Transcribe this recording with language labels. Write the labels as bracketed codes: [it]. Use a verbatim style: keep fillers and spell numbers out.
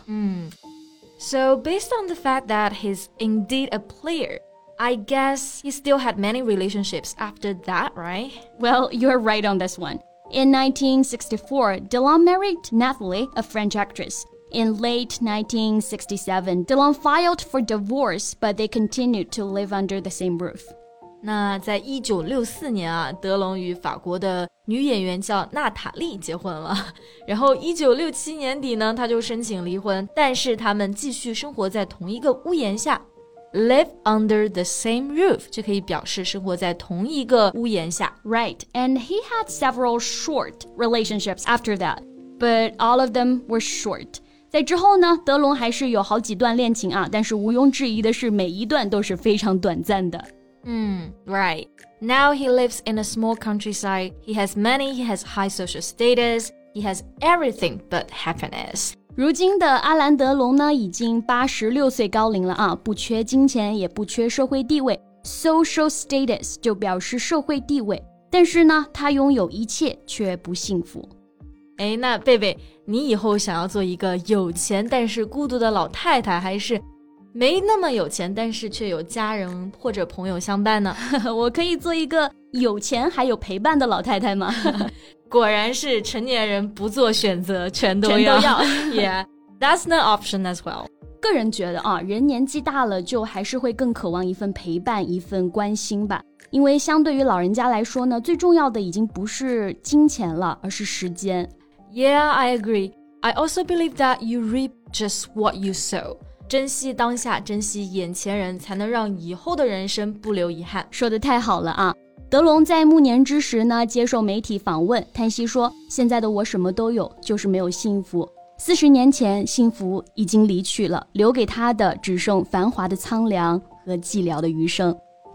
[en] 嗯 So based on the fact that he's indeed a player, I guess he still had many relationships after that, right? Well, you're right on this one. In nineteen sixty-four, DeLonge married Nathalie, a French actress. In late nineteen sixty-seven, DeLonge filed for divorce, but they continued to live under the same roof. [zh] 那在一九六四年啊，德龙与法国的女演员叫娜塔莉结婚了。然后一九六七年底呢，他就申请离婚，但是他们继续生活在同一个屋檐下。 [en] Live under the same roof [zh] 就可以表示生活在同一个屋檐下。 [en] Right, and he had several short relationships after that, but all of them were short. [zh] 在之后呢，德龙还是有好几段恋情啊，但是毋庸置疑的是，每一段都是非常短暂的。 [en] Mm, right. Now he lives in a small countryside. He has money, he has high social status, he has everything but happiness. [zh] 如今的阿兰德龙呢，已经八十六岁高龄了啊，不缺金钱，也不缺社会地位。 Social status 就表示社会地位，但是呢，他拥有一切却不幸福。哎，那贝贝，你以后想要做一个有钱但是孤独的老太太，还是没那么有钱但是却有家人或者朋友相伴呢？我可以做一个有钱还有陪伴的老太太吗？果然是成年人不做选择全都要。全都要 [en] yeah, that's an option as well. [zh] 个人觉得啊，人年纪大了就还是会更渴望一份陪伴一份关心吧。因为相对于老人家来说呢，最重要的已经不是金钱了，而是时间。 [en] Yeah, I agree. I also believe that you reap just what you sow. [zh] 珍惜当下，珍惜眼前人，才能让以后的人生不留遗憾。说得太好了啊！德龙在暮年之时呢，接受媒体访问，叹息说：“现在的我什么都有，就是没有幸福。四十年前，幸福已经离去了，留给他的只剩繁华的苍凉和寂寥的余生。”